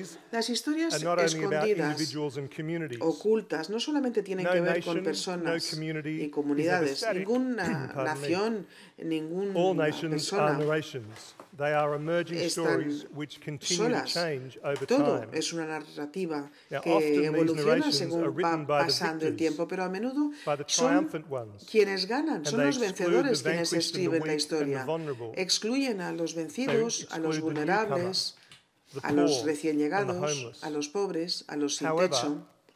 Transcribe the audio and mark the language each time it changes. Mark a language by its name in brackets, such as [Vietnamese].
[Spanish] Las historias escondidas, ocultas, no solamente tienen que ver con personas y comunidades. Ninguna nación, ninguna persona, [English] they are emerging stories which continue to change over time. [Spanish] Todo es una narrativa que evoluciona según va pasando el tiempo, pero a menudo son quienes ganan, son los vencedores quienes escriben la historia. Excluyen a los vencidos, a los vulnerables, a los recién llegados, a los pobres, a los sin techo.